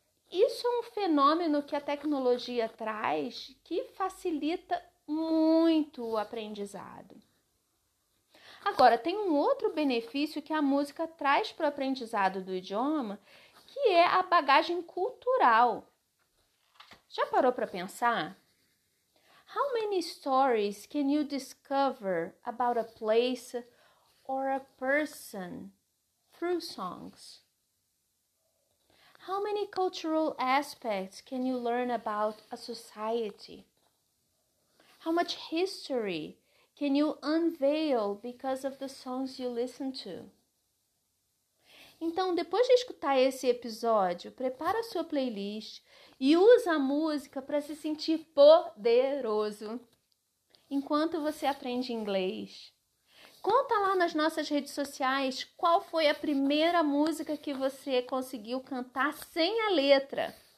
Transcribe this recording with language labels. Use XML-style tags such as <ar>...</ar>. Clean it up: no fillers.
<pt>Isso é um fenômeno que a tecnologia traz que facilita muito o aprendizado. Agora, tem um outro benefício que a música traz para o aprendizado do idioma, que é a bagagem cultural. Já parou para pensar?</pt> <en>How many stories can you discover about a place or a person through songs? How many cultural aspects can you learn about a society? How much history can you unveil because of the songs you listen to?</en> <pt>Então, depois de escutar esse episódio, prepara sua playlist e usa a música para se sentir poderoso enquanto você aprende inglês. Conta lá nas nossas redes sociais qual foi a primeira música que você conseguiu cantar sem a letra.</pt>